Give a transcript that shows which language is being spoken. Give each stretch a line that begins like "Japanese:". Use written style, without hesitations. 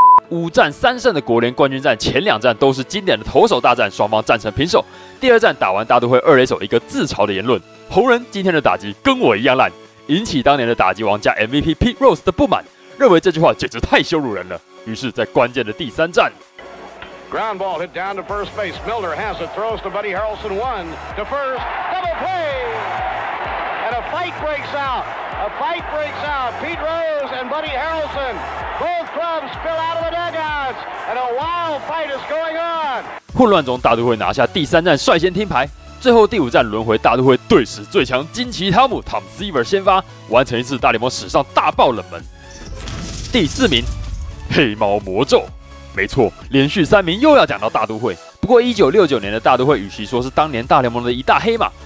Chinese: 5战3胜的国联冠军战，前2战都是经典的投手大战，双方战成平手。第二战打完，大都会二垒手一个自嘲的言论：“红人今天的打击跟我一样烂”，引起当年的打击王加 MVP Pete Rose 的不满，认为这句话简直太羞辱人了。于是，在关键的第3战
English: ，Ground ball hit down to first base. Miller has it. Throws to Buddy Harrelson. One to first. Double play. And a fight breaks out. A fight breaks out. Pete Rose and Buddy Harrelson both clubs spill out of the dugouts. And a wild fight is going on.
Chinese: 混乱中，大都会拿下第3战，率先听牌。最后第5战轮回大都会队史最强金奇汤姆 Tom Seaver 先发，完成一次大联盟史上大爆冷门。第4名，黑猫魔咒。没错，连续3名又要讲到大都会。不过1969年的大都会，与其说是当年大联盟的一大黑马，